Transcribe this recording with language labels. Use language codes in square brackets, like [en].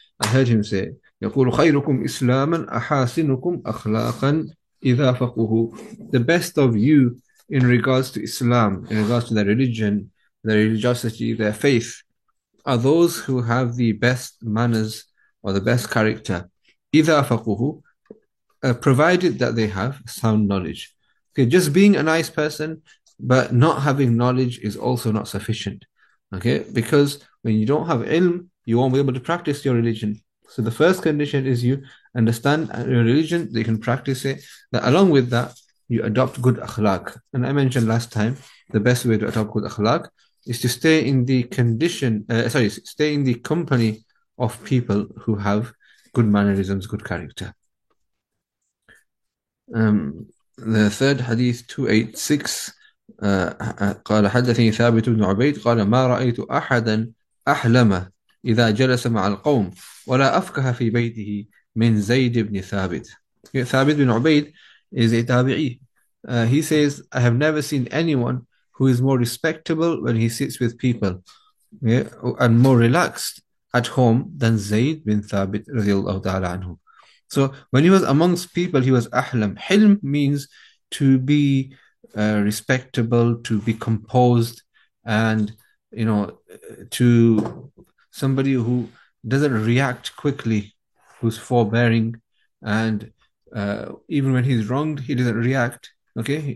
[en] I heard him say, [ar] يقول خيركم إسلاما أحاسنكم أخلاقا إذا فقهوا. [en] The best of you in regards to Islam, in regards to their religion, their religiosity, their faith, are those who have the best manners or the best character. [ar] إذا فقهوا, [en] provided that they have sound knowledge. Okay, just being a nice person but not having knowledge is also not sufficient. Okay, because when you don't have ilm, you won't be able to practice your religion. So the first condition is you understand your religion, that you can practice it. That along with that, you adopt good akhlaq. And I mentioned last time, the best way to adopt good akhlaq is to stay in the condition, stay in the company of people who have good mannerisms, good character. The third hadith, 286, [ar] قال حدثني ثابت بن عبيد قال ما رأيت أحدا أحلم إذا جلس مع القوم ولا أفكه في بيته من زيد بن ثابت. [en] ثابت بن عبيد is a tabi'i. He says, I have never seen anyone who is more respectable when he sits with people, yeah, and more relaxed at home than Zayd bin Thabit radiallahu ta'ala anhu. So when he was amongst people, he was ahlam. Hilm means to be respectable, to be composed, and to somebody who doesn't react quickly, who's forbearing, and even when he's wronged, he doesn't react, okay?